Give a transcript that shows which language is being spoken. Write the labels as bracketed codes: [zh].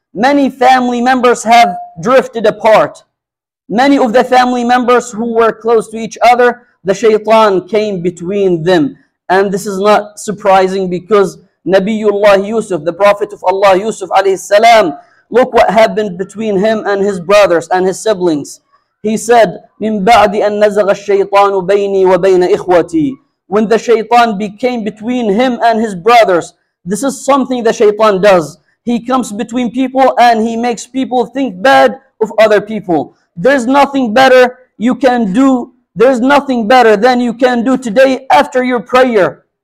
[en] Many family members have drifted apart. Many of the family members who were close to each other, the shaitan came between them. And this is not surprising because Nabiullah Yusuf, the Prophet of Allah Yusuf alayhi salam, look what happened between him and his brothers and his siblings. He said, [ar] مِن بَعْدِ أَن نَزَغَ الشَّيْطَانُ بَيْنِي وَبَيْنَ إِخْوَتِي. [en] When the shaitan became between him and his brothers, this is something the shaitan does. He comes between people and he makes people think bad of other people. There's nothing better you can do. There's nothing better than you can do today after your prayer.